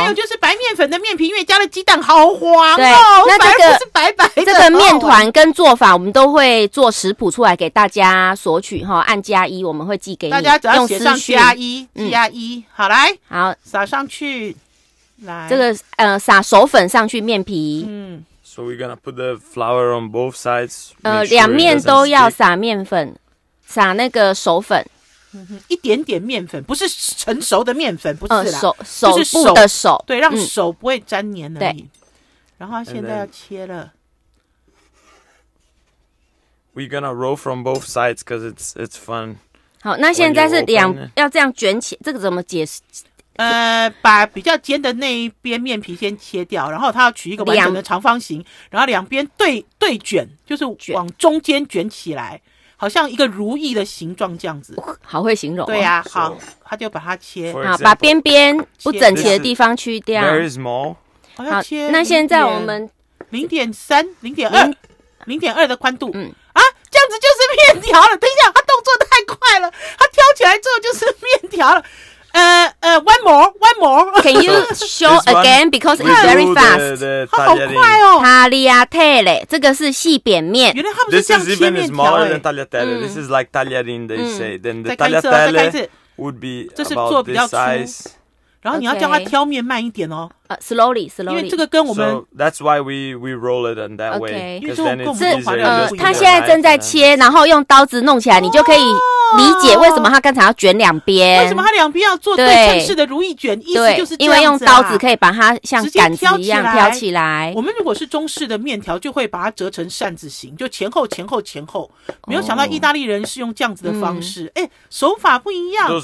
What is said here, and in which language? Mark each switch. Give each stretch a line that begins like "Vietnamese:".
Chinese: 还有就是白面粉的面皮，因为加了鸡蛋好黄哦，对，那这个是白白的。这个面团跟做法我们都会做食谱出来给大家索取哈，按加一我们会寄给你，大家只要写上加一，加一，好来，好，撒上去，来，这个撒手粉上去面皮，
English: So we're gonna put the flour on both sides.
Chinese: 两面都要撒面粉，撒那个手粉，一点点面粉，不是成熟的面粉，不是啦，手部的手，对，让手不会粘黏而已。然后现在要切了。
English: We're gonna roll from both sides because it's fun.
Chinese: 好，那现在是两要这样卷起，这个怎么解释？把比较尖的那一边面皮先切掉，然后它要取一个完整的长方形，然后两边对卷，就是往中间卷起来，好像一个如意的形状这样子。好会形容、哦。对啊，好，他就把它切，好，把边边不整齐的地方去掉。
English: Very small。
Chinese: 好，那现在我们 0.2的宽度。啊，这样子就是面条了。等一下，他动作太快了，他挑起来之后就是面条了。
English: One more. Can you show again? Because it's very fast.
Chinese: 它好快哦。 Tagliatelle， 这个是细扁面。原来他们是这样切面条。
English: This is even smaller than tagliatelle. This is like tagliarini, they say. Then the tagliatelle would be about this size.
Chinese: 然后你要叫它挑面慢一点哦。
English: Slowly.
Chinese: 因为这个跟我们。
English: So that's why we roll it in that way. Because then it's easier.
Chinese: 它现在正在切，然后用刀子弄起来，你就可以。理解为什么他刚才要卷两边，为什么他两边要做对称式的如意卷，意思就是这样子、啊、因为用刀子可以把它像杆子一样挑起来。我们如果是中式的面条就会把它折成扇子形，就前后前后前后，没有想到意大利人是用这样子的方式、哦嗯、手法不一样，